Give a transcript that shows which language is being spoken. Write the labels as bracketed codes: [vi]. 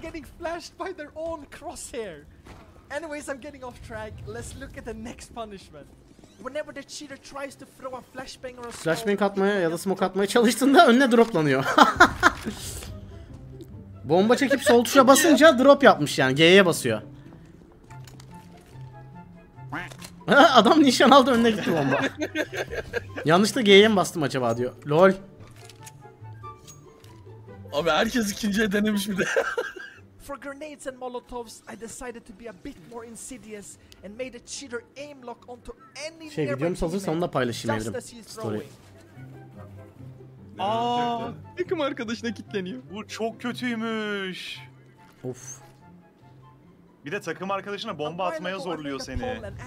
[en] Getting flashed by their own crosshair. Anyways, I'm getting off track. Let's look at the next punishment. Whenever the cheater tries to throw a flashbang or a smoke, [tr] Flashbang atmaya ya da smoke atmaya çalıştığında önüne droplanıyor. Bomba çekip sol tuşa basınca drop yapmış yani G'ye basıyor. Adam nişan aldı, önüne gitti bomba. Yanlışta G'ye mi bastım acaba diyor. [en] LOL. [tr] Abi herkes ikinci denemiş bir de. [en] For grenades and molotovs, I decided to be a bit more insidious and made a cheater aim lock onto any [tr] Şey videomu hazırsa onu da paylaşayım evrim. [en] Story. Aaa! [tr] Yakın arkadaşına kilitleniyor. Bu çok kötüymüş. Of. Bir de takım arkadaşına bomba atmaya zorluyor seni.